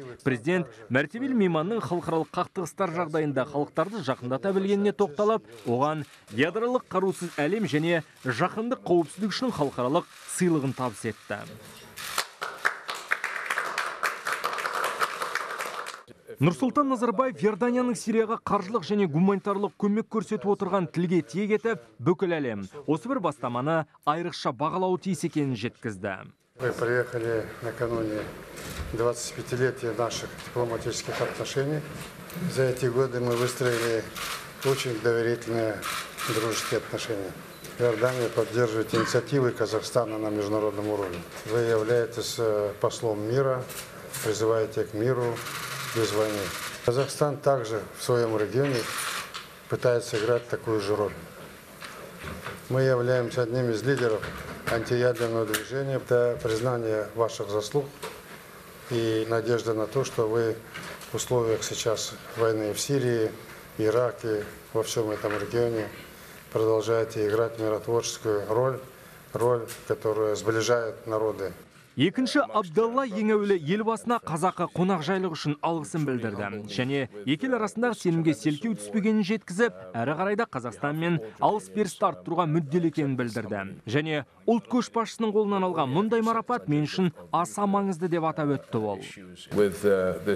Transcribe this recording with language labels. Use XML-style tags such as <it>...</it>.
<kk>Президент мәртебелі мейманның халықаралық қақтығыстар жағдайында халықтарды жақындата білгеніне тоқталып, оған ядролық қарусыз әлем және жақындық қауіпсіздік үшін халықаралық сыйлығын табыс етті. Нұрсұлтан Назарбаев Иорданияның Сирияға қаржылық және гуманитарлық көмек көрсетіп отырған тілге тиек етіп, бүкіл әлем осы бір бастаманы айрықша бағалауы тиіс екенін жеткізді.</kk> <ru>Мы приехали накануне 25-летия наших дипломатических отношений. За эти годы мы выстроили очень доверительные дружеские отношения. Иордания поддерживает инициативы Казахстана на международном уровне. Вы являетесь послом мира, призываете к миру без войны. Казахстан также в своем регионе пытается играть такую же роль. Мы являемся одним из лидеров антиядерного движения. Это признание ваших заслуг и надежда на то, что вы в условиях сейчас войны в Сирии, Ираке, во всем этом регионе продолжаете играть миротворческую роль, которая сближает народы.</ru> <kk>Екінші Абдалла ең әуелі елбасына қазақы қонақжайлық үшін алғысын білдірді. Және екел арасындағы сенімге селкеу түспегенін жеткізіп, әрі қарайда Қазақстан мен алыс-беріс арттыруға мүдделі екенін білдірді. Және ұлт көшбасшысының қолынан алған мұндай марапат мен үшін аса маңызды деп атап өтті ол.</kk>